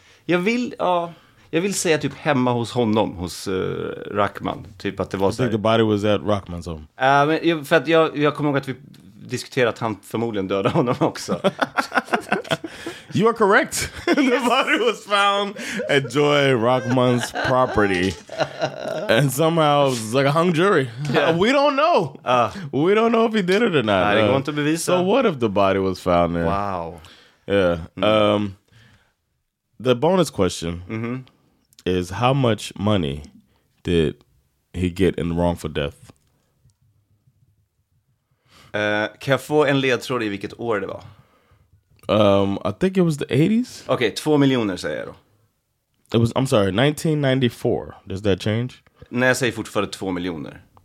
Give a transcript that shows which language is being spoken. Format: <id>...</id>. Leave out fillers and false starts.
<sv>Jag vill säga typ hemma hos honom, hos Rahman, typ att det var så.</sv> <en>The body was at Rahman's home.</en> <sv>För att jag kommer ihåg att vi diskuterade att han förmodligen dödade honom också.</sv> <en>You are correct. The body was found at Joy Rockman's property. And somehow it was like a hung jury. Yeah. We don't know. We don't know if he did it or not.</en> <sv>Det går inte att bevisa.</sv> <en>So what if the body was found there? Wow. Yeah. The bonus question is how much money did he get in wrongful death?</en> <sv>Kan jag få en ledtråd i vilket år det var?</sv> <en>I think it was the 80s. Okay,</en> <sv>2 miljoner säger jag då.</sv> <en>It was, I'm sorry, 1994. Does that change?</en> <sv>Nej, jag säger fortfarande 2 miljoner.</sv>